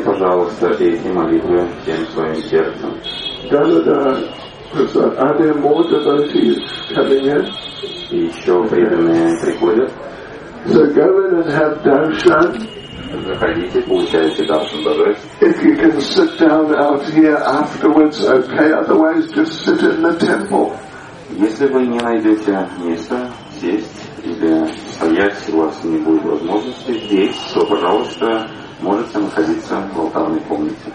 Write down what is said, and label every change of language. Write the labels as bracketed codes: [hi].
[ru] пожалуйста, эти молитвы всем своим сердцем. Да-да-да. [en] Are there more devotees coming in? [ru] Еще преданные приходят. [en] So go in and have darshan. [ru] Заходите, получаете даршан добрый. [en] If you can sit down out here afterwards, okay. Otherwise, just sit in the temple. [ru] Если вы не найдете места сесть или стоять, у вас не будет возможности здесь, то, пожалуйста, можете находиться в алтарной комнате.